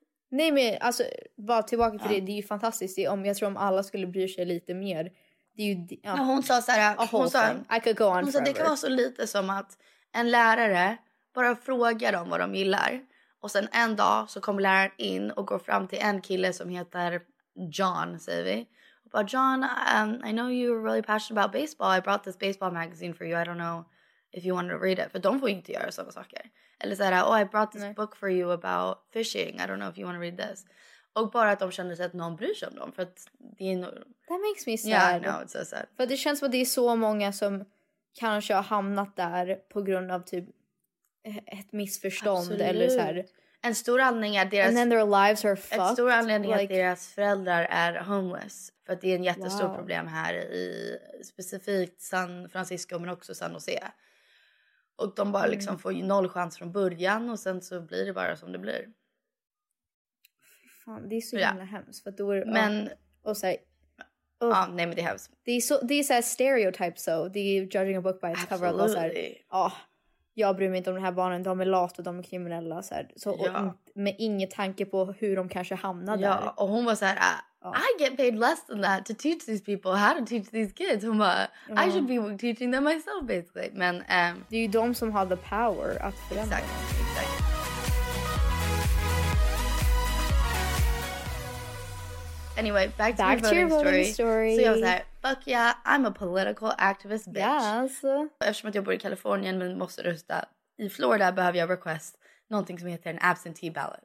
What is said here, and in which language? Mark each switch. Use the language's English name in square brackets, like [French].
[Swedish] Nej, men alltså, bara tillbaka till det är ju fantastiskt. Det är om, jag tror om alla skulle bry sig lite mer. Det är ju, hon sa så här, [English] I could go on [Swedish] hon sa, det kan vara så lite som att en lärare bara frågar dem vad de gillar. Och sen en dag så kommer läraren in och går fram till en kille som heter John, säger vi. Och bara, [English] John, I know you're really passionate about baseball. I brought this baseball magazine for you. I don't know if you wanted to read it. [Swedish] För de får ju inte göra sådana saker. Eller så här, [English] oh, I brought this book for you about fishing. I don't know if you want to read this. [Swedish] Och bara att de känner sig att någon bryr sig om dem. För att det är nog... [English] That makes me sad. Yeah, no, it's so sad. [Swedish] För det känns som att det är så många som kanske har hamnat där på grund av typ... ett missförstånd. Absolut. Eller så här. En stor anledning är deras, [English] and then their lives are fucked. [Swedish] En stor anledning är att deras föräldrar är homeless, för att det är en jättestor problem här i specifikt San Francisco men också San Jose. Och de bara liksom får noll chans från början och sen så blir det bara som det blir. Fan, det är så jävla hemskt för att då är, men och så här, ja, nej, men det är hemskt. Det är så [English] stereotypes, [Swedish] så det är [English] judging a book by its cover. [Swedish] Alltså, jag bryr mig inte om de här barnen, de är lata, de är kriminella. Så här. Så, med ingen tanke på hur de kanske hamnade där. Och hon var så här, [English] I get paid less than that to teach these people how to teach these kids. [Swedish] Hon bara, [English] I should be teaching them myself basically. [Swedish] Men, det är ju de som har the power att förändra. Exakt, exakt. [English] Anyway, back to your voting story. So [Swedish] jag var såhär, [English] fuck yeah, I'm a political activist bitch. Yes. [Swedish] Eftersom att jag bor i Kalifornien men måste rösta i Florida behöver jag request någonting som heter en absentee ballot.